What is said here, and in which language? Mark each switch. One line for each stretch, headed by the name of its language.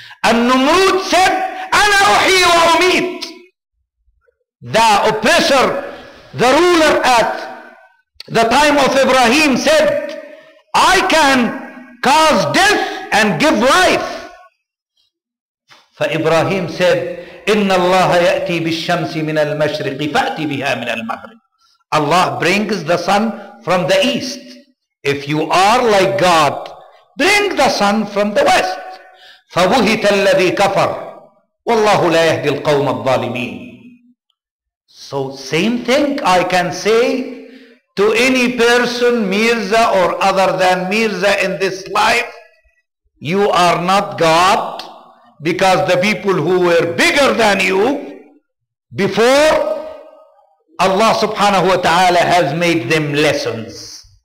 English: And Numrud said, ana uhyi wa umit, the oppressor, the ruler at the time of Ibrahim said, I can cause death and give life.
Arabic: فإبراهيم said, إن الله يأتي بالشمس من المشرق فأتي بها من المغرب.
English: Allah brings the sun from the east. If you are like God, bring the sun from the west.
Arabic: فبهت الذي كفر والله لا يهدي القوم الظالمين.
English: So same thing I can say to any person, Mirza or other than Mirza in this life, you are not God, Because the people who were bigger than you before, Allah subhanahu wa ta'ala has made them lessons.